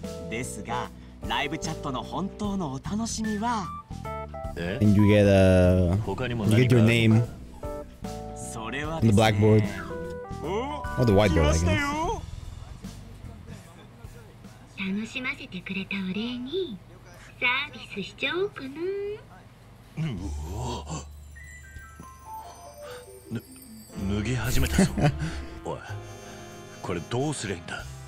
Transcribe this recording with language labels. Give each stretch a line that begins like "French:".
Japanese: ですが、ライブチャットの本当のお楽しみは。
English: And you get a, you get your name on the blackboard or the whiteboard, I guess.
Japanese: 楽しませてくれたお礼にサービスしちゃおうかな。脱ぎ始めたぞ。おい、これどうすりゃいいんだ。